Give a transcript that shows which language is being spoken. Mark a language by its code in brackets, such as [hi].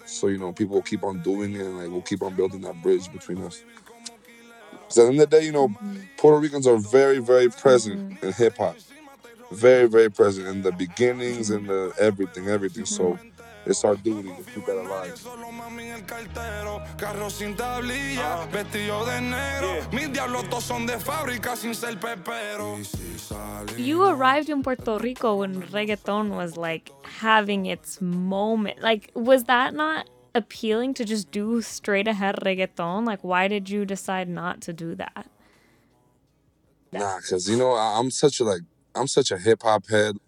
[en] So, you know, people will keep on doing it, and, like, we'll keep on building that bridge between us. Because at the end of the day, you know, Puerto Ricans are very, very present in hip-hop. Very, very present in the beginnings and the everything. Mm-hmm. So... it's our duty to keep that alive. [es] Solo mami el cartero, carro sin tablilla, vestido de negro. Mis diablos todos son de fábrica sin ser pepero. [en] You arrived in Puerto Rico when reggaeton was, like, having its moment. Like, was that not appealing to just do straight ahead reggaeton? Like, why did you decide not to do that? Nah, because, you know, I'm such a hip-hop head.